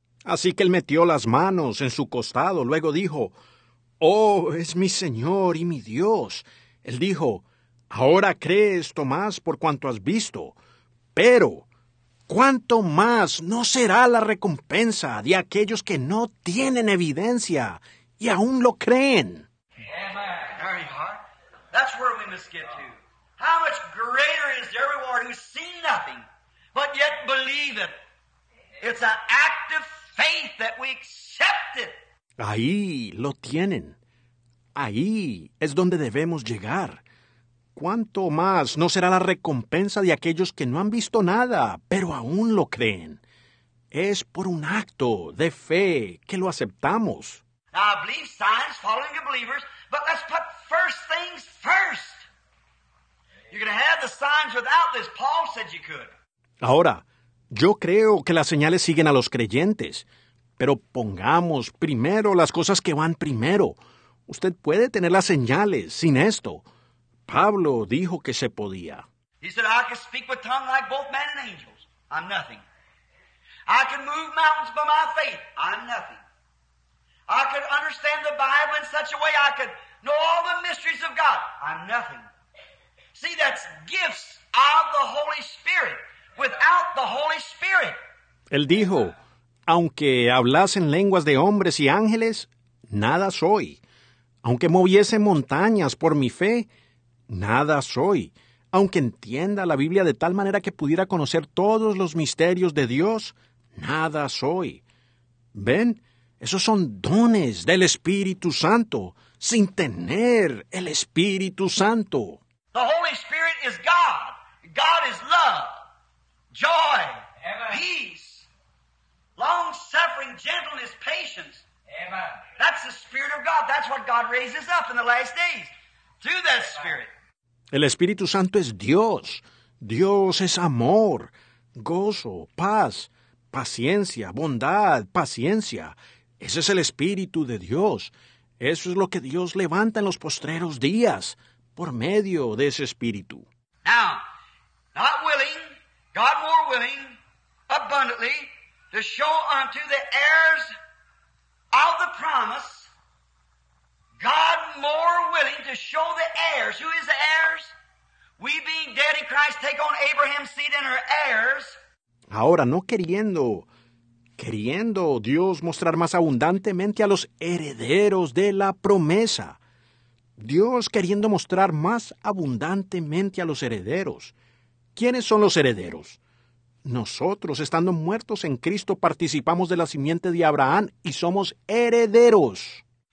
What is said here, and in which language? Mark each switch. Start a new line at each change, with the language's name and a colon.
Spanish: Así que él metió las manos en su costado. Luego dijo, oh, es mi Señor y mi Dios. Él dijo, ahora crees, Tomás, por cuanto has visto. Pero, ¿cuánto más no será la recompensa de aquellos que no tienen evidencia y aún lo creen?
English: Amen. That's where we must get to. How much greater is their reward who's seen nothing but yet believe it? It's an act of faith that we accept it.
Spanish: Ahí lo tienen. Ahí es donde debemos llegar. ¿Cuánto más no será la recompensa de aquellos que no han visto nada, pero aún lo creen? Es por un acto de fe que lo aceptamos.
English: Now, I believe signs following the believers, but let's put first things first. You're going to have the signs without this. Paul said you could.
Spanish: Ahora, yo creo que las señales siguen a los creyentes, pero pongamos primero las cosas que van primero. Usted puede tener las señales sin esto. Pablo dijo que se podía.
English: He said, I can speak with tongue like both men and angels. I'm nothing. I can move mountains by my faith. I'm nothing. I can understand the Bible in such a way I could know all the mysteries of God. I'm nothing. See, that's gifts of the Holy Spirit. Without the Holy Spirit.
Spanish: Él dijo, aunque hablasen lenguas de hombres y ángeles, nada soy. Aunque moviese montañas por mi fe, nada soy. Aunque entienda la Biblia de tal manera que pudiera conocer todos los misterios de Dios, nada soy. ¿Ven? Esos son dones del Espíritu Santo, sin tener el Espíritu Santo.
English: The Holy Spirit is God. God is love, joy, peace, long-suffering, gentleness, patience. That's the Spirit of God. That's what God raises up in the last days, through that Spirit.
Spanish: El Espíritu Santo es Dios. Dios es amor, gozo, paz, paciencia, bondad, paciencia. Ese es el Espíritu de Dios. Eso es lo que Dios levanta en los postreros días, por medio de ese Espíritu.
English: Now, not willing, God more willing, abundantly, to show unto the heirs of the promise. God more willing to show the heirs. Who is the heirs? We being dead in Christ take on Abraham's seed and her heirs.
Spanish: Ahora, no queriendo, queriendo Dios mostrar más abundantemente a los herederos de la promesa. Dios queriendo mostrar más abundantemente a los herederos. ¿Quiénes son los herederos? Nosotros, estando muertos en Cristo, participamos de la simiente de Abraham y somos herederos.